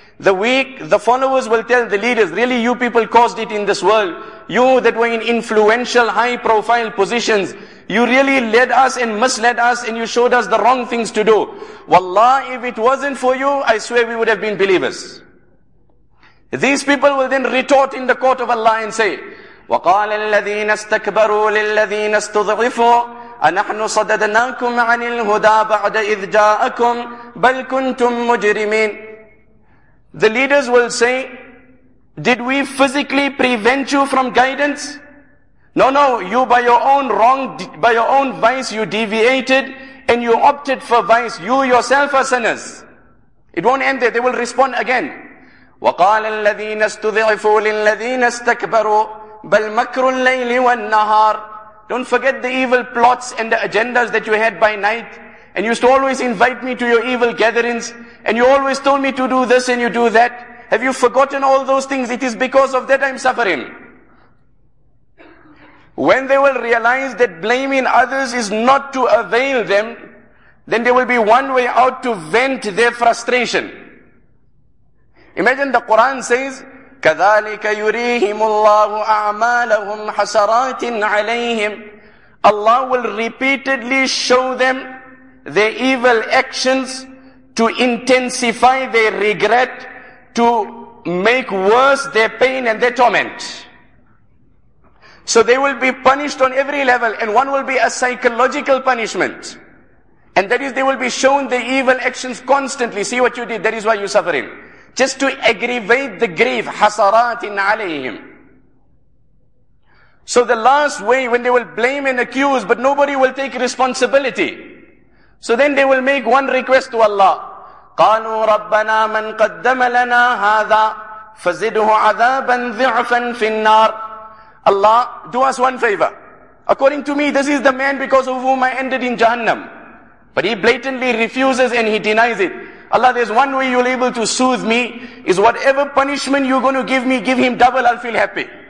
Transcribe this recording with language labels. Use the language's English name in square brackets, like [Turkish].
[English] The weak, the followers will tell the leaders, really you people caused it in this world. You that were in influential, high profile positions. You really led us and misled us and you showed us the wrong things to do. Wallah, if it wasn't for you, I swear we would have been believers. These people will then retort in the court of Allah and say, [Arabic] وَقَالَ الَّذِينَ اسْتَكْبَرُوا لِلَّذِينَ اسْتُضْعِفُوا أَنَحْنُ صَدَدْنَاكُمْ عَنِ الْهُدَى بَعْدَ إِذْ جَاءَكُمْ بَلْ كُنْتُمْ مُجْرِمِينَ. [English] The leaders will say, did we physically prevent you from guidance? No, no, you by your own wrong, by your own vice, you deviated and you opted for vice. You yourself are sinners. It won't end there. They will respond again. [Arabic] وَقَالَ الَّذِينَ اسْتُضِعِفُوا لِلَّذِينَ اسْتَكْبَرُوا بَلْ مَكْرُ اللَّيْلِ وَالنَّهَارِ. [English] Don't forget the evil plots and the agendas that you had by night. And you used to always invite me to your evil gatherings. And you always told me to do this and you do that. Have you forgotten all those things? It is because of that I'm suffering. When they will realize that blaming others is not to avail them, then there will be one way out to vent their frustration. Imagine the Quran says, [Arabic] كَذَلِكَ يُرِيهِمُ اللَّهُ أَعْمَالَهُمْ حَسَرَاتٍ عَلَيْهِمْ. [English] Allah will repeatedly show them their evil actions to intensify their regret, to make worse their pain and their torment. So they will be punished on every level, and one will be a psychological punishment. And that is, they will be shown the evil actions constantly. See what you did, that is why you're suffering. Just to aggravate the grief, [Arabic] hasaratin alayhim. [English] So the last way, when they will blame and accuse, but nobody will take responsibility. So then they will make one request to Allah. [Arabic] قالوا ربنا من قدم لنا هذا فزده عذابا ضعفا في النار. [English] Allah, do us one favor. According to me, this is the man because of whom I ended in Jahannam. But he blatantly refuses and he denies it. Allah, there's one way you'll able to soothe me, is whatever punishment you're going to give me, give him double, I'll feel happy.